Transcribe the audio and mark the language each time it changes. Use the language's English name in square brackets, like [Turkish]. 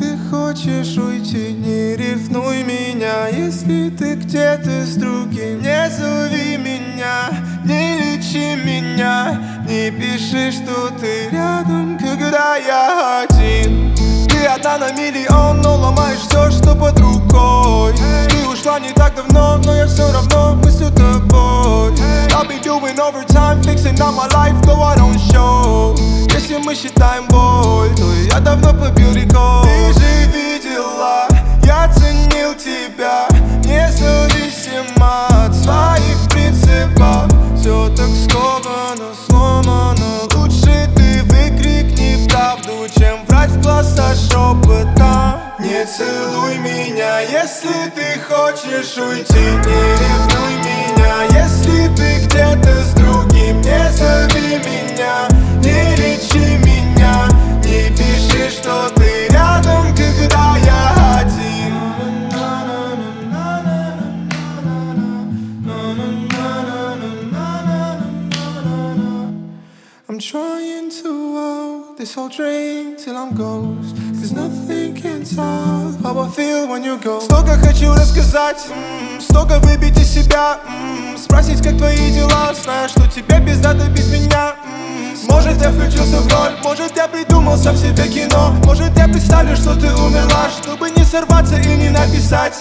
[Russian] хочешь уйти, не рифнуй меня. Если ты где-то с другим, не зови меня, не лечи меня, не пиши, что ты рядом, когда я один. Ты одна на миллион, но ломаешь все, что под рукой. Ты ушла не так давно, но я все равно мыслю тобой. [English] I'll be doing overtime, fixing up my life, though I don't show. [Russian] Если мы считаем боль, то я давно побил рекорд. Ты же видела, я ценил тебя, независимо от своих принципов. Все так сковано, сломано. Лучше ты выкрикни правду, чем врать в глаза шепота. Не целуй меня, если ты хочешь уйти. Не ревнуй меня, если ты где-то с другим. Не зови меня, не лечи меня, не пиши, что ты рядом, когда я один. [English] I'm trying to hold this whole dream till I'm ghost. There's nothing can tell how I feel when you go. [Russian] Столько хочу рассказать, столько выбить из себя, спросить, как твои дела. Знаю, что тебе без надо без меня. Может, я включился в роль, может, я придумал сам себе кино. Может, я представлю, что ты умерла, чтобы не сорваться и не написать.